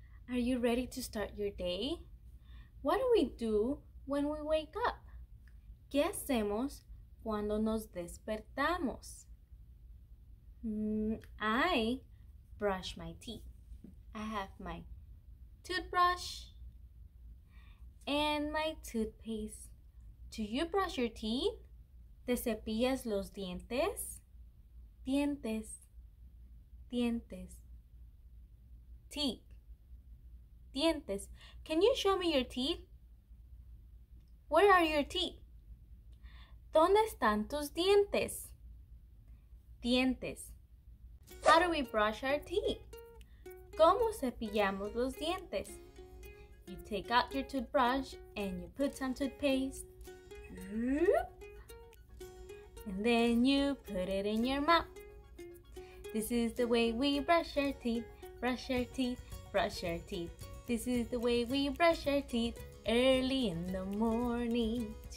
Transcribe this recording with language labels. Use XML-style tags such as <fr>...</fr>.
<en>Are you ready to start your day? What do we do when we wake up?</en> <es>¿Qué hacemos cuando nos despertamos?</es> <en>I brush my teeth. I have my toothbrush and my toothpaste. Do you brush your teeth?</en> <es>¿Te cepillas los dientes? Dientes. Dientes. Teeth. Dientes.</es> <en>Can you show me your teeth? Where are your teeth?</en> <es>¿Dónde están tus dientes? Dientes.</es> <en>How do we brush our teeth?</en> <es>¿Cómo cepillamos los dientes?</es> <en>You take out your toothbrush and you put some toothpaste. And then you put it in your mouth. This is the way we brush our teeth, brush our teeth, brush our teeth. This is the way we brush our teeth early in the morning.</en>